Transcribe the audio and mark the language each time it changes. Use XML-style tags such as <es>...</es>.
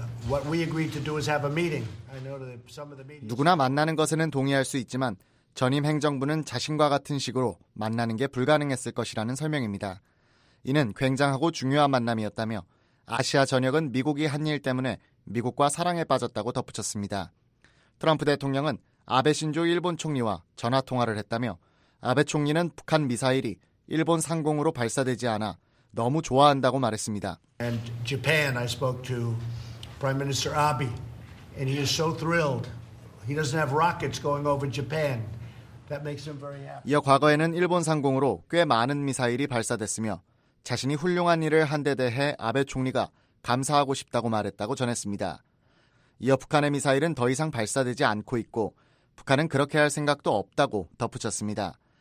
<en>What we agreed to do is have a meeting. I know that some of the meetings.</en> <ko>누구나 만나는 것에는 동의할 수 있지만 전임 행정부는 자신과 같은 식으로 만나는 게 불가능했을 것이라는 설명입니다. 이는 굉장하고 중요한 만남이었다며 아시아 전역은 미국이 한 일 때문에 미국과 사랑에 빠졌다고 덧붙였습니다. 트럼프 대통령은 아베 신조 일본 총리와 전화 통화를 했다며 아베 총리는 북한 미사일이 일본 상공으로 발사되지 않아 너무 좋아한다고 말했습니다.</ko> <en>And Japan, I spoke to Prime Minister Abe, and he is so thrilled. He doesn't have rockets going over Japan. That makes him very happy.</en> <ko>이어 과거에는 일본 상공으로 꽤 많은 미사일이 발사됐으며 자신이 훌륭한 일을 한 데 대해 아베 총리가 감사하고 싶다고 말했다고 전했습니다. 이어 북한의 미사일은 더 이상 발사되지 않고 있고 북한은 그렇게 할 생각도 없다고 덧붙였습니다.</ko>